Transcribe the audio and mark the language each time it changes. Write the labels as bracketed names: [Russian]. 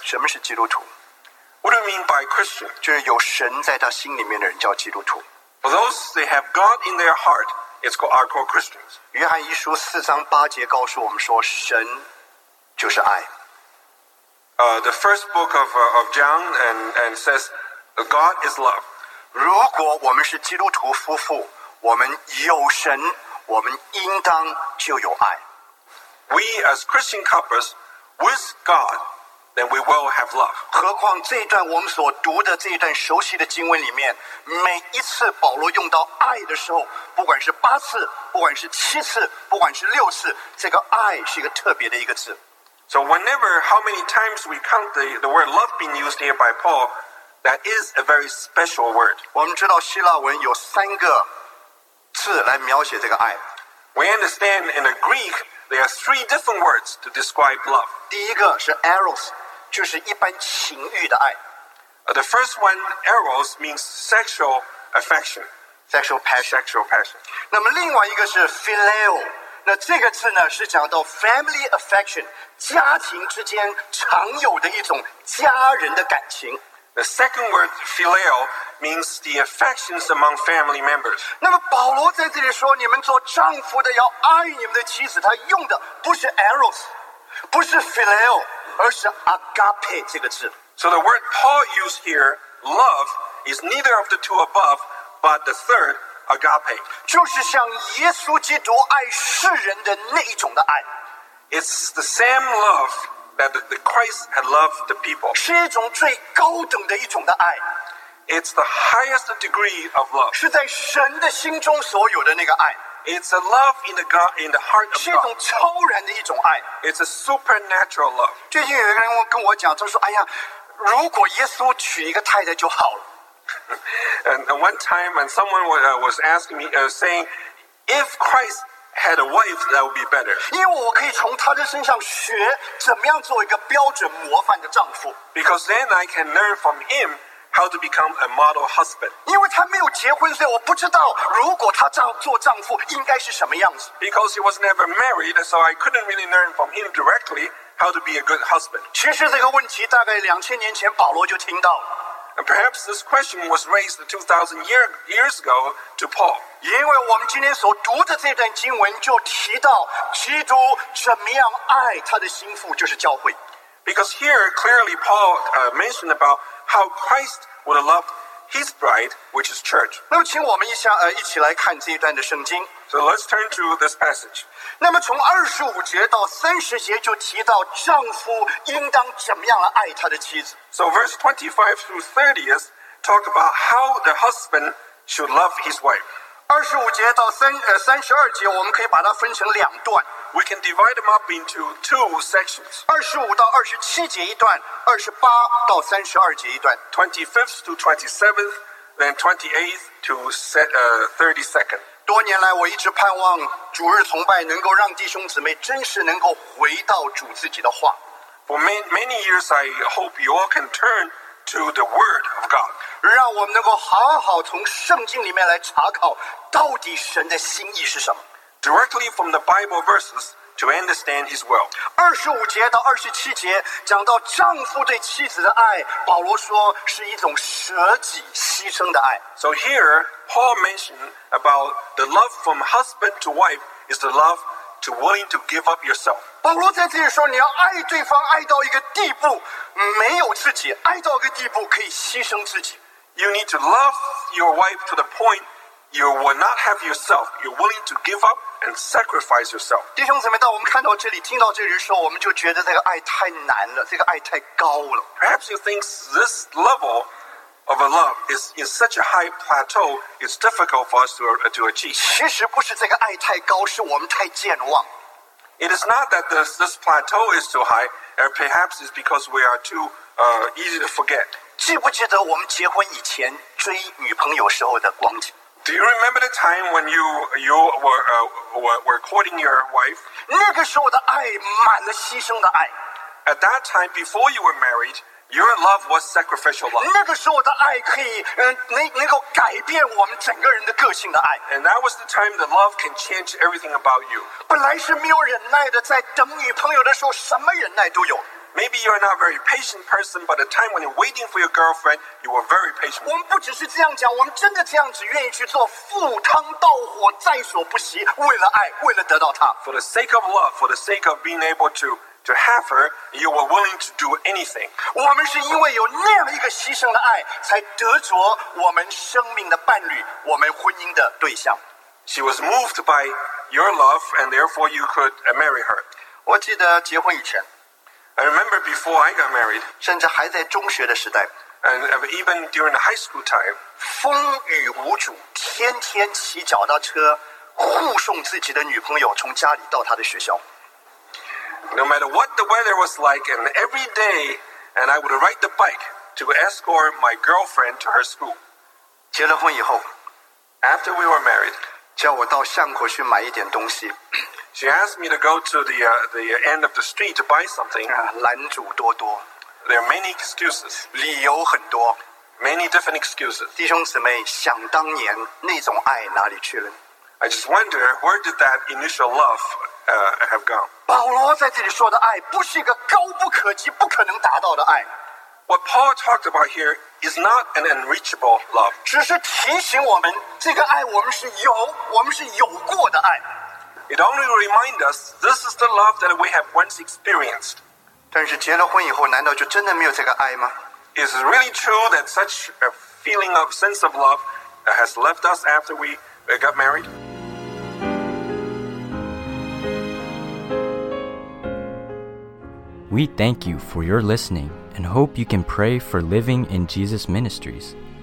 [Chinese] 什么是基督徒？ [English] What do you mean by Christian? [Chinese] 就是有神在他心里面的人叫基督徒。 [English] For those that have God in their heart, it's called, are called Christians. [Chinese] 约翰一书四章八节告诉我们说，神就是爱。 [English] The first book of John and says, God is love. [Chinese] 如果我们是基督徒夫妇，我们有神，我们应当就有爱。 [English] We as Christian couples with God. Then we will have love. [Chinese] 何况这一段我们所读的这一段熟悉的经文里面，每一次保罗用到爱的时候，不管是八次，不管是七次，不管是六次，这个爱是一个特别的一个字。 [English] So whenever, how many times we count the word love being used here by Paul, that is a very special word. [Chinese] 我们知道希腊文有三个字来描写这个爱。 [English] We understand in the Greek. There are three different words to describe love. [Chinese] 第一个是 eros, 就是一般情欲的爱。 [English] The first one, eros, means sexual affection. Sexual passion. Sexual passion. [Chinese] 那么另外一个是 phileo, 那这个字呢是讲到 [English] family affection, [Chinese] 家庭之间常有的一种家人的感情。 [English] The second word, phileo, means the affections among family members. [Chinese] 那么保罗在这里说，你们做丈夫的要爱你们的妻子，他用的不是 eros, 不是 phileo, 而是 agape 这个字。 [English] So the word Paul used here, love, is neither of the two above, but the third, agape. [Chinese] 就是像耶稣基督爱世人的那一种的爱。 [English] It's the same love. That the Christ had loved the people. [Chinese] 是一种最高等的一种的爱。 [English] It's the highest degree of love. [Chinese] 是在神的心中所有的那个爱。 [English] It's a love in the God, in the heart of God. [Chinese] 是一种超然的一种爱。 [English] It's a supernatural love. [Chinese] 最近有一个人跟我讲，他说：“哎呀，如果耶稣娶一个太太就好了。” [English] And one time, and someone was asking me, saying, if Christ. Had a wife that would be better. [Chinese] 因为我可以从他的身上学怎么样做一个标准模范的丈夫。 [English] Because then I can learn from him how to become a model husband. [Chinese] 因为他没有结婚，所以我不知道如果他做丈夫应该是什么样子。 [English] Because he was never married, so I couldn't really learn from him directly how to be a good husband. [Chinese] 其实这个问题大概两千年前保罗就听到了。 [English] And perhaps this question was raised 2,000 years ago to Paul. [Chinese] 因为我们今天所读的这段经文就提到基督怎么样爱他的心腹，就是教会。 [English] Because here clearly Paul mentioned about how Christ would love his bride, which is church. [Chinese] 那么请我们一起来看这一段的圣经。 [English] So let's turn to this passage. [Chinese] 那么从二十五节到三十节就提到丈夫应当怎么样爱他的妻子。 [English] So verse 25 through 30 is talk about how the husband should love his wife. [Chinese] 二十五节到三十二节，我们可以把它分成两段。 [English] We can divide them up into two sections. [Chinese] 二十五到二十七节一段，二十八到三十二节一段。 [English] 25th to 27th, then 28th to 32nd. [Chinese] 多年来我一直盼望主日崇拜能够让弟兄姊妹真实能够回到主自己的话。 [English] For many years, I hope you all can turn to the word of God. [Chinese] 让我们能够好好从圣经里面来查考到底神的心意是什么。 [English] Directly from the Bible verses to understand his will. [Chinese] 二十五节到二十七节讲到丈夫对妻子的爱，保罗说是一种舍己牺牲的爱。 [English] So here, Paul mentioned,About the love from husband to wife is the love to willing to give up yourself. [Chinese] 保罗在这里说，你要爱对方，爱到一个地步没有自己，爱到一个地步可以牺牲自己。 [English] You need to love your wife to the point you will not have yourself. You're willing to give up and sacrifice yourself. [Chinese] 弟兄姊妹，当我们看到这里、听到这里的时候，我们就觉得这个爱太难了，这个爱太高了。 [English] Perhaps you think this level. Of a love is in such a high plateau, it's difficult for us to achieve. [Chinese] 其实不是这个爱太高，是我们太健忘。 [English] It is not that this plateau is too high, or perhaps it's because we are too easy to forget. [Chinese] 记不记得我们结婚以前追女朋友时候的光景？ [English] Do you remember the time when you were courting your wife? [Chinese] 那个时候的爱满了牺牲的爱。 [English] At that time, before you were married. Your love was sacrificial love. [Chinese] 那个时候的爱可以，能够改变我们整个人的个性的爱。 [English] And that was the time the love can change everything about you. [Chinese] 本来是没有忍耐的，在等女朋友的时候，什么忍耐都有。 [English] Maybe you're not a very patient person, but the time when you're waiting for your girlfriend, you were very patient. [Chinese] 我们不只是这样讲，我们真的这样子愿意去做赴汤蹈火，在所不惜，为了爱，为了得到她。 [English] For the sake of love, for the sake of being able to have her, you were willing to do anything. [Chinese] 我们是因为有那样一个牺牲的爱，才得着我们生命的伴侣，我们婚姻的对象。 [English] She was moved by your love, and therefore you could marry her. [Chinese] 我记得结婚以前。 [English] I remember before I got married, [Chinese] 甚至还在中学的时代 [English] and even during the high school time, [Chinese] 风雨无阻，天天骑脚踏车护送自己的女朋友从家里到她的学校。 [English] No matter what the weather was like, and every day, and I would ride the bike to escort my girlfriend to her school. [Chinese] 结了婚以后 [English] after we were married, [Chinese] 叫我到巷口去买一点东西。 [English] She asked me to go to the end of the street to buy something. [Chinese] 拦阻多多。 [English] There are many excuses. [Chinese] 理由很多。 [English] Many different excuses. [Chinese] 弟兄姊妹，想当年那种爱哪里去了？ [English] I just wonder where did that initial love have gone? [Chinese] 保罗在这里说的爱，不是一个高不可及、不可能达到的爱。 [English] What Paul talked about here is not an unreachable love. [Chinese] 只是提醒我们，这个爱我们是有，我们是有过的爱。 [English] It only reminds us this is the love that we have once experienced. [Chinese] 但是结了婚以后，难道就真的没有这个爱吗？ [English] Is it really true that such a feeling of sense of love has left us after we got married? We thank you for your listening and hope you can pray for Living in Jesus Ministries.